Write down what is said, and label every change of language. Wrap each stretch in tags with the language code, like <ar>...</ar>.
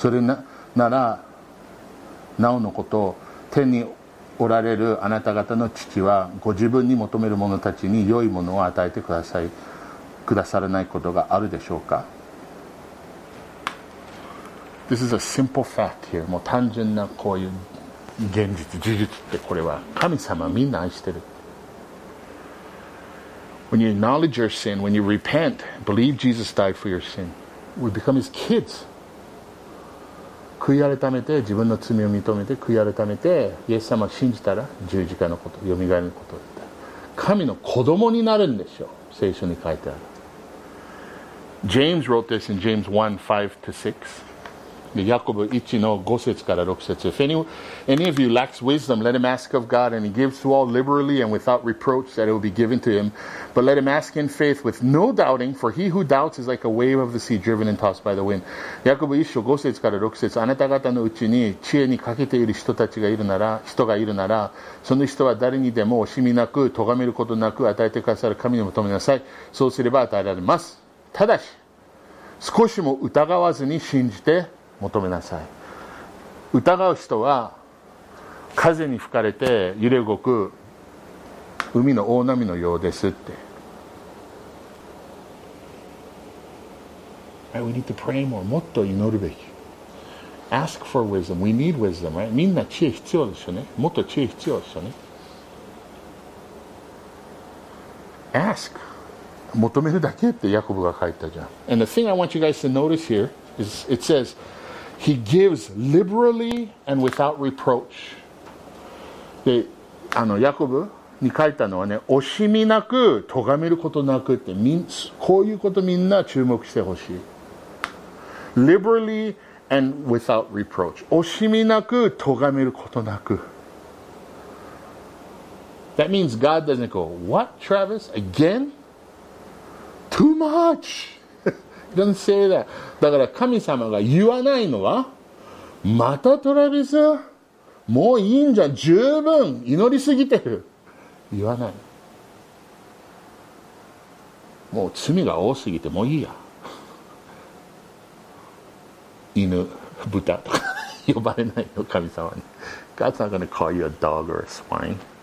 <ja>それならなおのこと天におられるあなた方の父はご自分に求める者たちに良いものを与えてください、くださらないことがあるでしょうか。</ja> <en>This is a simple fact here.</en> <ja>もう単純なこういう現実事実ってこれは神様みんな愛してる。</ja> <en>When you acknowledge your sin, when you repent, believe Jesus died for your sin, we become his kids.</en> <ja>悔い改めて自分の罪を認めて悔い改めてイエス様を信じたら十字架のこと、蘇りのことだった。神の子供になるんでしょう。聖書に書いてある。</ja> <en>James wrote this in James 1:5-6.</en> <ja>ヤコブ1の5節から6節。</ja> <en>If any of you lacks wisdom, let him ask of God, and he gives to all liberally and without reproach, that it will be given to him. But let him ask in faith, with no doubting, for he who doubts is like a wave of the sea driven and tossed by the wind.</en> <ja>ヤコブ1章5節から6節。あなた方のうちに知恵に欠けている人たちがいるなら、人がいるなら、その人は誰にでも惜しみなく、咎めることなく、与えてくださる神に求めなさい。そうすれば与えられます。ただし、少しも疑わずに信じて、求めなさい。疑う人は風に吹かれて揺れ動く海の大波のようですって。</ja> <en>Right, we need to pray more.</en> <ja>もっと祈るべき。</ja> <en>Ask for wisdom. We need wisdom, right?</en> <ja>みんな知恵必要でしょうね。もっと知恵必要でしょうね。 Ask. 求めるだけってヤコブが書いたじゃん。</ja> <en>And the thing I want you guys to notice here is it says,He gives liberally and without reproach.</en> <ja>で、あのヤコブに書いたのはね、惜しみなく、咎めることなくって、こういうことみんな注目してほしい。</ja> <en>Liberally and without reproach.</en> <ja>惜しみなく、咎めることなく。</ja> <en>That means God doesn't go, What, Travis? Again? Too much! He doesn't say that.</en> <ja>だから神様が言わないのは、またトラビス、もういいんじゃん、十分、祈りすぎてる。言わない。もう罪が多すぎて、もういいや。犬、豚とか呼ばれないの、神様に。</ja> <en>God's not going to call you a dog or a swine.</en>